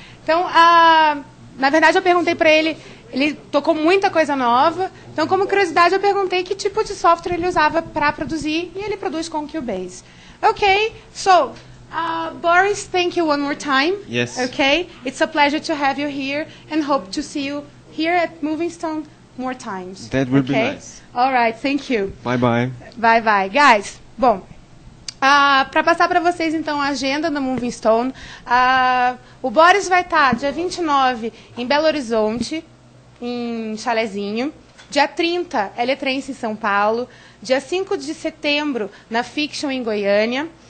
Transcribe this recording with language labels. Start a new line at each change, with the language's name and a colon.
Portuguese: Então, na verdade, eu perguntei para ele, ele tocou muita coisa nova. Então, como curiosidade, eu perguntei que tipo de software ele usava para produzir, e ele produz com Cubase.
English: Okay, so, Boris, thank you one more time. Yes. Okay, it's a pleasure to have you here, and hope to see you here at Moving Stone more times. That would okay? be nice. All right, thank you. Bye-bye. Bye-bye.
Portuguese: Guys, bom, para passar para vocês, então, a agenda da Moving Stone, o Boris vai estar dia 29 em Belo Horizonte, em Chalezinho. Dia 30, Eletrense em São Paulo. Dia 5 de setembro, na Fiction em Goiânia.